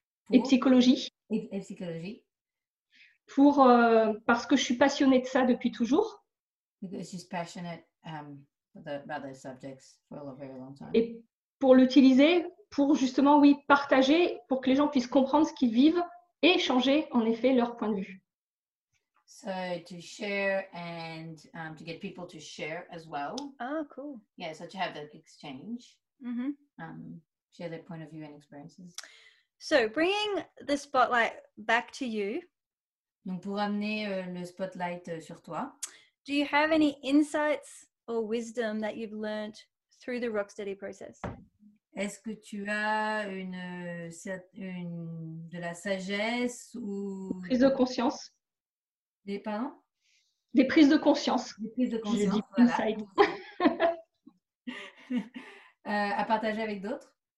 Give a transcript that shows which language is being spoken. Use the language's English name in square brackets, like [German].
[French] et psychologie pour parce que je suis passionnée de ça depuis toujours. [English] Because she's passionate about those subjects for a very long time. [French] Et pour l'utiliser pour justement partager pour que les gens puissent comprendre ce qu'ils vivent et changer en effet leur point de vue. [English] So to share and to get people to share as well. Ah, oh, cool. Yeah, so to have that exchange, mm-hmm. Share their point of view and experiences. So bringing the spotlight back to you. [French] Donc pour amener le spotlight sur toi. [English] Do you have any insights or wisdom that you've learned through the Rocksteady process? [French] Est-ce que tu as une de la sagesse ou prise de conscience? Des prises de conscience. Des prises de conscience. Je dis voilà. Inside. à partager avec d'autres.